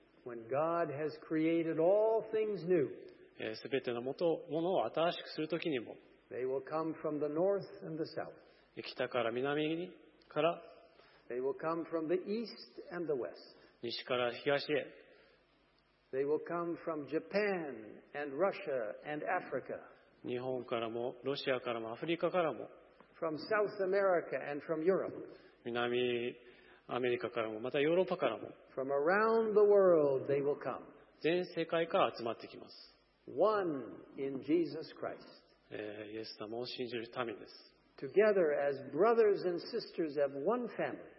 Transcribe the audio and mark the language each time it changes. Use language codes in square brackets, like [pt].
[en] When God has created all things new, [ja] すべてのものを新しくするときにも、 [en] They will come from the north and the south. [ja] 北から南から、 [en] They will come from the east and the west. [ja] 西から東へ、 [en] They will come from Japan and Russia and Africa. [ja] 日本からも、ロシアからも、アフリカからも、 [en] From South America and from Europe. [ja] 南アメリカからも、またヨーロッパからも、 [en] From around the world they will come. [ja] 全世界から集まってきます。 [en] One in Jesus Christ. [ja] イエス様を信じる民です。 [en] Together as brothers and sisters of one family.